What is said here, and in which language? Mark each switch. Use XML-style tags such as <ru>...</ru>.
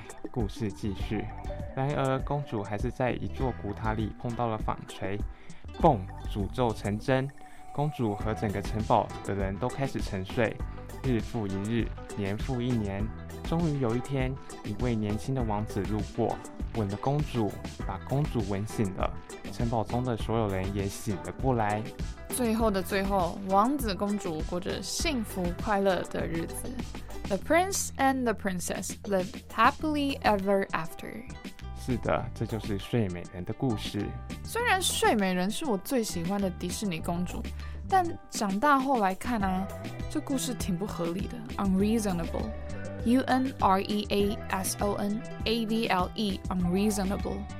<zh>故事继续，然而公主还是在一座古塔里碰到了纺锤，蹦，诅咒成真，公主和整个城堡的人都开始沉睡，日复一日，年复一年。终于有一天，一位年轻的王子路过，吻了公主，把公主吻醒了，城堡中的所有人也醒了过来。最后的最后，王子公主过着幸福快乐的日子。</zh> <en>The prince and the princess lived happily ever after.</en> <zh>是的，这就是睡美人的故事。虽然睡美人是我最喜欢的迪士尼公主，但长大后来看啊，这故事挺不合理的 ，unreasonable.</zh> <en>U-N-R-E-A-S-O-N-A-B-L-E, unreasonable.</en>